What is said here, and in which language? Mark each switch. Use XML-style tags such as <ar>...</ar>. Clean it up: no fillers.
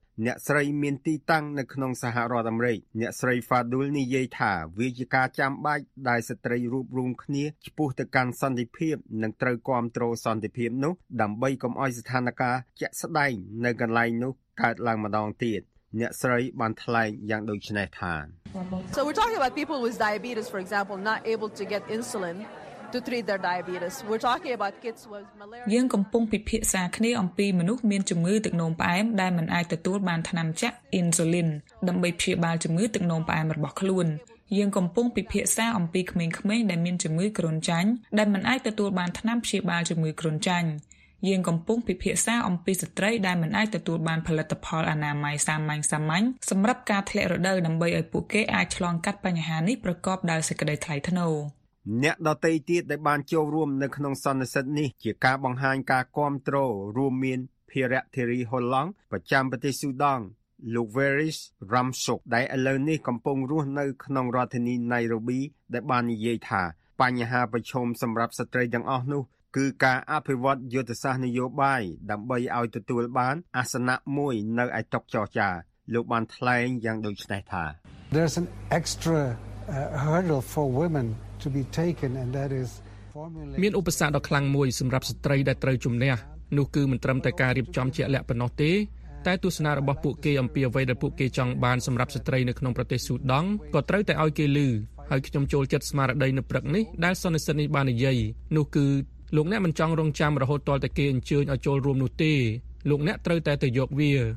<km>អ្នកស្រីមានទីតាំងនៅក្នុងសហរដ្ឋអាមេរិកអ្នកស្រីហ្វាឌូលនិយាយថាវាជាការចាំបាច់ដែលស្ត្រីរួបរួមគ្នាឈ្ពោះទៅកាន់សន្តិភាពនិងត្រូវគាំទ្រសន្តិភាពនោះដើម្បីកុំឲ្យស្ថានភាពជាក់ស្ដែងនៅកន្លែងនោះកើតឡើងម្ដងទៀតអ្នកស្រីបានថ្លែងយ៉ាងដូចនេះថា</km> <en>So we're talking about people with diabetes for example not able to get insulin to treat their diabetes we're talking about kids with malaria</en> <km>យើងកំពុងពិភាក្សាគ្នាអំពីមនុស្សមានជំងឺទឹកនោមផ្អែមដែលមិនអាចទទួលបានថ្នាំចាក់ insulin ដើម្បីព្យាបាលជំងឺទឹកនោមផ្អែមរបស់ខ្លួនយើងកំពុងពិភាក្សាអំពីក្មេងៗដែលមានជំងឺគ្រុនចាញ់ដែលមិនអាចទទួលបានថ្នាំព្យាបាលជំងឺគ្រុនចាញ់ យើងកំពុងពិភាក្សាអំពីស្ត្រីដែលមិនអាចទទួលបានផលិតផលអនាម័យសាមញ្ញៗសម្រាប់ការធ្លាក់រដូវដើម្បីឲ្យពួកគេអាចឆ្លងកាត់បញ្ហានេះប្រកបដោយសេចក្តីថ្លៃថ្នូរ អ្នកដទៃទៀតដែលបានចូលរួមនៅក្នុងសន្និសីទនេះជាការបង្ហាញការគាំទ្ររួមមានភិរៈធីរីហុលឡង់ប្រចាំប្រទេសស៊ូដង់លោក Veris Ramsuk ដែលឥឡូវនេះកំពុងរស់នៅក្នុងរដ្ឋធានី Nairobi ដែលបាននិយាយថាបញ្ហាប្រឈមសម្រាប់ស្ត្រីទាំងអស់នោះគឺការអភិវឌ្ឍយុទ្ធសាស្ត្រនយោបាយដើម្បីឲ្យទទួលបានអាសនៈមួយនៅឯតុចរចាលោកបានថ្លែងយ៉ាងដូចនេះថា</km> <en>There's an extra hurdle for women to be taken and that is</en> <km>មានឧបសគ្គដ៏ខ្លាំងមួយសម្រាប់ស្ត្រីដែលត្រូវជំនះនោះគឺមិនត្រឹមតែការរៀបចំជាក់លាក់ប៉ុណ្ណោះទេតែទស្សនៈរបស់ពួកគេអំពីអ្វីដែលពួកគេចង់បានសម្រាប់ស្ត្រីនៅក្នុងប្រទេសស៊ូដង់ក៏ត្រូវតែឲ្យគេលើហើយខ្ញុំចូលចិត្តស្មារតីនៅព្រឹកនេះដែលសន្និសីទនេះបាននិយាយនោះគឺលោកអ្នកមិនចង់រងចាំរហូតទាល់តែគេអញ្ជើញឲ្យចូលរួមនោះទេលោកអ្នកត្រូវតែទៅយកវា</km>